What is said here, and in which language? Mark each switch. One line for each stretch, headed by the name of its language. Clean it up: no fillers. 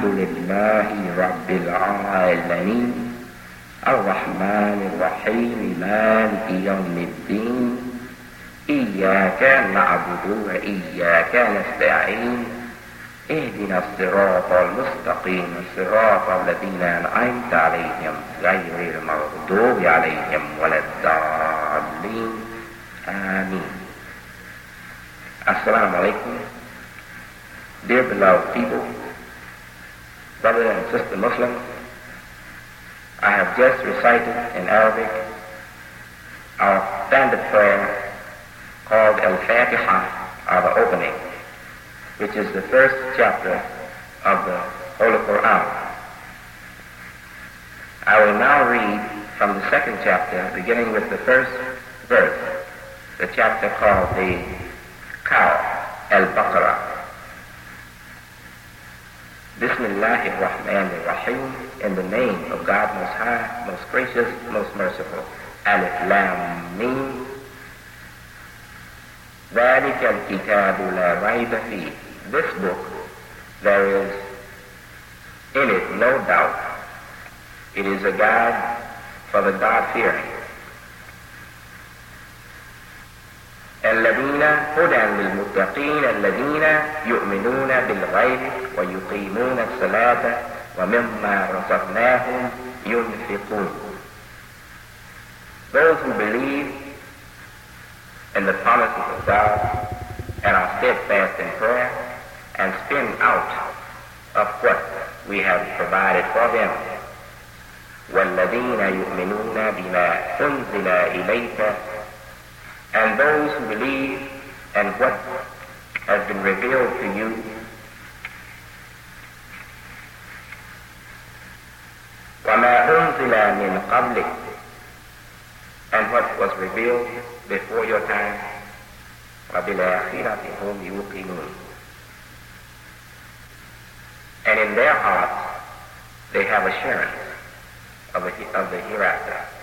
Arabic: لله رب العالمين الرحمن الرحيم مالك يوم الدين إياك نعبد وإياك نستعين اهدنا الصراط المستقيم صراط الذين أنعمت عليهم غير المغضوب عليهم ولا الضالين آمين. السلام عليكم.
English: Dear beloved people, brother and sister Muslims, I have just recited in Arabic our standard prayer called Al-Fatiha, or the opening, which is the first chapter of the Holy Quran. I will now read from the second chapter, beginning with the first verse, the chapter called the Kaf, Al-Baqarah.
Arabic: Bismillahi r-Rahman r-Rahim,
English: in the name of God Most High, Most Gracious, Most Merciful.
Arabic: Alif Lam Mim. ذلك الكتاب لا ريب فيه.
English: This book, there is in it no doubt. It is a guide for the God-fearing.
Arabic: الذين هدى للمتقين الذين يؤمنون بالغيب ويقيمون الصلاة ومما رزقناهم ينفقون.
English: Those who believe in the promises of God and are steadfast in prayer and spend out of what we have provided for them.
Arabic: والذين يؤمنون بما أنزل إليك.
English: And those who believe in what has been revealed to you,
Arabic: وَمَا أُنزِلَ مِنْ قَبْلِكَ,
English: and what was revealed before your time,
Arabic: وَبِالْآخِرَةِ هُمْ يُوقِنُونَ,
English: and in their hearts they have assurance of the hereafter.